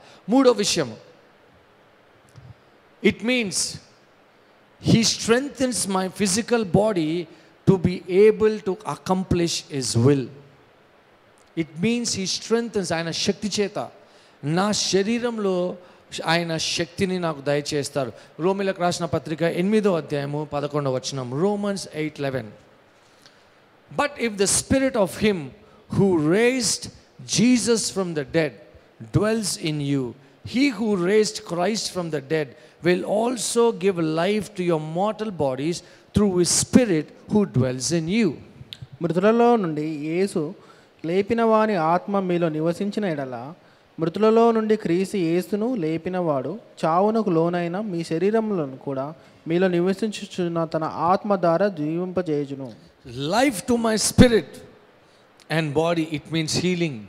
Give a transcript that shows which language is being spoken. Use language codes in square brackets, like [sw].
[te] మూడో విషయం, [en] It means he strengthens my physical body to be able to accomplish his will. It means he strengths [te] ఆయన శక్తి చేత నా శరీరంలో ఆయన శక్తిని నాకు దయచేస్తారు. రోమీలకు రాసిన పత్రిక [en] 8:11 Romans 8:11 But if the spirit of him who raised Jesus from the dead dwells in you, he who raised Christ from the dead will also give life to your mortal bodies through his spirit who dwells in you. [te] మృతులలో నుండి యేసు లేపిన వాని ఆత్మ మీలో నివసించిన ఎడల మృతులలో నుండి క్రీస్తు యేసును లేపినవాడు చావునకు లోనైన మీ శరీరములను కూడా మీలో నివసించుచున్న తన ఆత్మ ద్వారా జీవింపజేయుచును. [en] Life to my spirit and body, it means healing.